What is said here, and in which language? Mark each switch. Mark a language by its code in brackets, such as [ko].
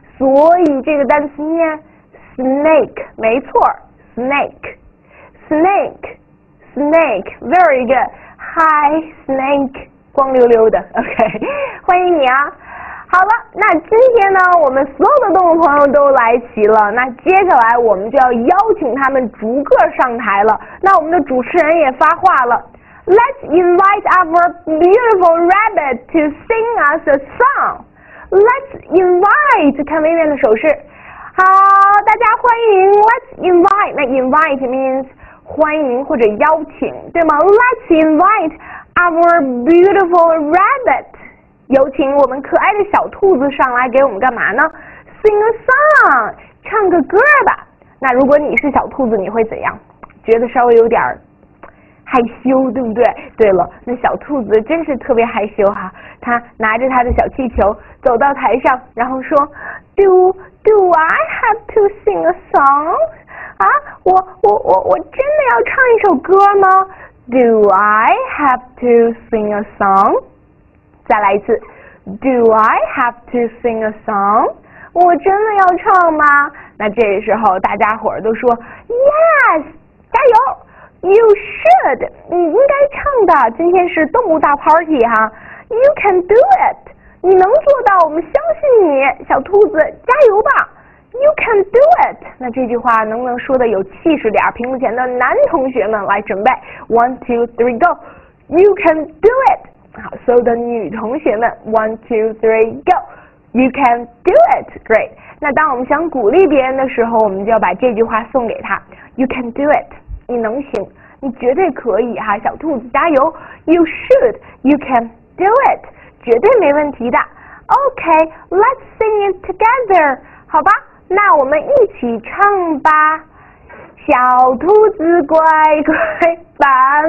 [zh] 所以这个单词念 snake， 没错 ，snake，snake，snake， [en] very good。 [zh] Hi snake， 光溜溜的 ，OK， 欢迎你啊。好了，那今天呢，我们所有的动物朋友都来齐了。那接下来我们就要邀请他们逐个上台了。那我们的主持人也发话了 [en] ，Let's invite our beautiful rabbit to sing us a song. Let's invite， [zh] 看微微的手势。好，大家欢迎。 [en] Let's invite， [zh] 那 [en] invite means [zh] 欢迎或者邀请，对吗 [en] ？Let's invite our beautiful rabbit. [zh] 有请我们可爱的小兔子上来给我们干嘛呢 ？ [en] Sing a song， [zh] 唱个歌吧。那如果你是小兔子，你会怎样？觉得稍微有点害羞，对不对？对了，那小兔子真是特别害羞哈。他拿着他的小气球走到台上，然后说 ： [en] “Do I have to sing a song？ [zh] 啊，我真的要唱一首歌吗 ？ [en] Do I have to sing a song？” 再来一次 ，Do I have to sing a song？ [zh] 我真的要唱吗？那这时候大家伙儿都说 ， [en] Yes， [zh] 加油 ， [en] You should， [zh] 你应该唱的。今天是动物大 party 哈 ， [en] You can do it， [zh] 你能做到，我们相信你，小兔子，加油吧 ，You can do it。那这句话能不能说的有气势点？屏幕前的男同学们来准备 [en] ，One two three go，You can do it。 [zh] 好 [en] ，so [zh] 的女同学们 [en] ，one two three go，you can do it， great。 [zh] 那当我们想鼓励别人的时候，我们就要把这句话送给他 ， [en] you can do it， [zh] 你能行，你绝对可以哈，小兔子加油 ， [en] you should， [zh] you can do it， 绝对没问题的。 [en] OK， let's sing it together， [zh] 好吧，那我们一起唱吧，小兔子乖乖把